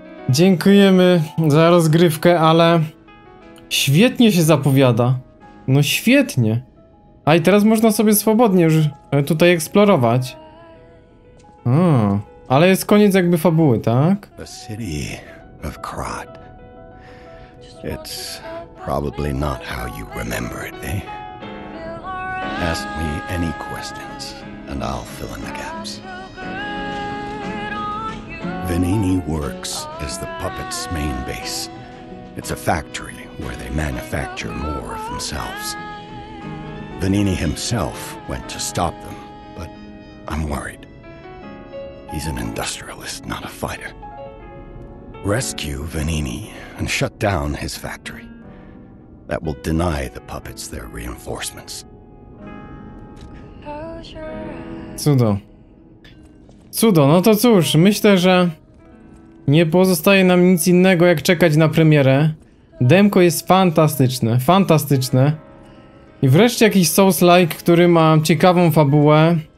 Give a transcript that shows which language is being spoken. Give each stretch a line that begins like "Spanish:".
Polish: Dziękujemy za rozgrywkę, ale świetnie się zapowiada. No świetnie. A i teraz można sobie swobodnie już tutaj eksplorować. A, ale jest koniec jakby fabuły, tak?
English: The city of Krat. It's probably not how you remember it, eh? Ask me any questions and I'll fill in the gaps. Vanini Works is the puppet's main base. It's a factory where they manufacture more of themselves. Vanini himself went to stop them, but I'm worried. He's an industrialist, not a fighter. Rescue Vanini and shut down his factory. That will deny the puppets their reinforcements.
Polish: Cudo. Cudo, no to cóż, myślę, że nie pozostaje nam nic innego, jak czekać na premierę. Demko jest fantastyczne, fantastyczne. I wreszcie jakiś Souls-like, który ma ciekawą fabułę.